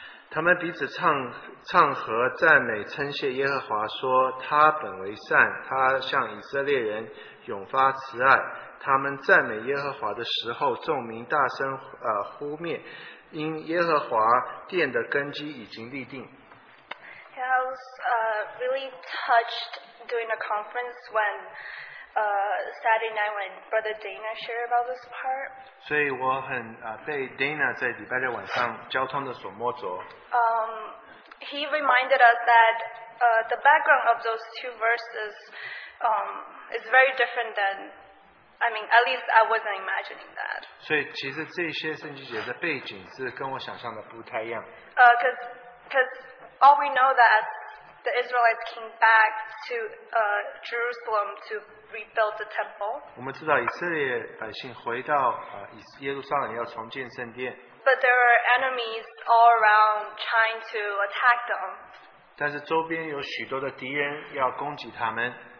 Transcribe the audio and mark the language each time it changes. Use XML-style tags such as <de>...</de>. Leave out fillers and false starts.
<zh>他们彼此唱和赞美，称谢耶和华，说他本为善，他向以色列人永发慈爱。他们赞美耶和华的时候，众民大声呼咽，因耶和华殿的根基已经立定。</zh> <en>I was really touched during a conference when Saturday night when Brother Dana shared about this part.</en> <zh>所以我很被 Dana 在礼拜六晚上交通的所摸着。</zh> <en>He reminded us that the background of those two verses is very different than, I mean, at least I wasn't imagining that.</en> <zh>所以其实这些圣经节的背景是跟我想象的不太一样。</zh> <en>Because all we know that the Israelites came back to Jerusalem to rebuild the temple.</en> <zh>我们知道以色列百姓回到, 耶路撒冷要重建圣殿。</zh> <en>But there are enemies all around trying to attack them.</en> <zh>但是周边有许多的敌人要攻击他们。</zh>